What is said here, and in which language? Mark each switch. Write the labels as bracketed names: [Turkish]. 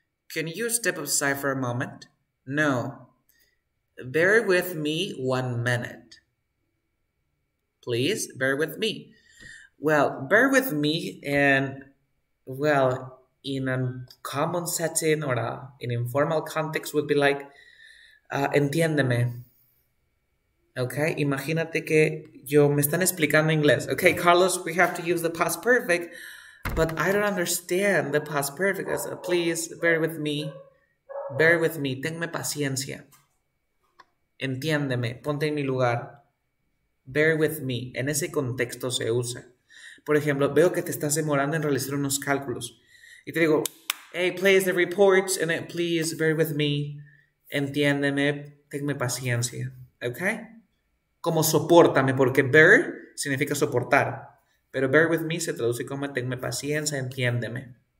[English] Can you step aside for a moment? No. Bear with me 1 minute. Please bear with me. Well, bear with me, and well, in a common setting or in informal context would be like, entiéndeme. [Spanish] Okay, imagínate que yo me están explicando inglés. [English] Okay, Carlos, we have to use the past perfect, but I don't understand the past perfect. I said, please bear with me. Bear with me. [Spanish] Tenme paciencia. Entiéndeme. Ponte en mi lugar. [English] Bear with me. [Spanish] En ese contexto se usa. Por ejemplo, veo que te estás demorando en realizar unos cálculos. [English] Y te digo, hey, please, the reports, and then, please bear with me. [Spanish] Entiéndeme. Tenme paciencia. Okay? Como soportame, porque bear significa soportar. Pero bear with me se traduce como tenme paciencia, entiéndeme.